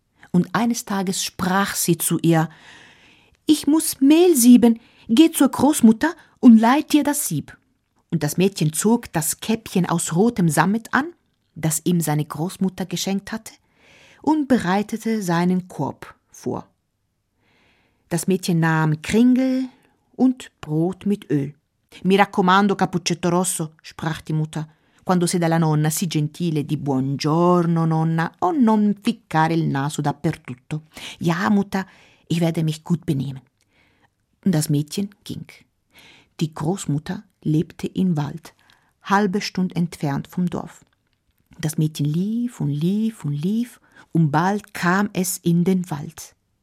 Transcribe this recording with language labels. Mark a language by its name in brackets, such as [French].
[German] Und eines Tages sprach sie zu ihr: »Ich muss Mehl sieben, geh zur Großmutter und leih dir das Sieb.« Und das Mädchen zog das Käppchen aus rotem Sammet an, das ihm seine Großmutter geschenkt hatte, und bereitete seinen Korb vor. Das Mädchen nahm Kringel und Brot mit Öl. [Italian] «Mi raccomando, Cappuccetto Rosso«, [German] sprach die Mutter, [Italian] «quando sei dalla nonna, si gentile, di buongiorno, nonna, o non ficcare il naso dappertutto.» [German] «Ja, Mutter, ich werde mich gut benehmen.» Und das Mädchen ging. Die Großmutter lebte im Wald, halbe Stunde entfernt vom Dorf. Das Mädchen lief und lief und lief, und bald kam es in den Wald.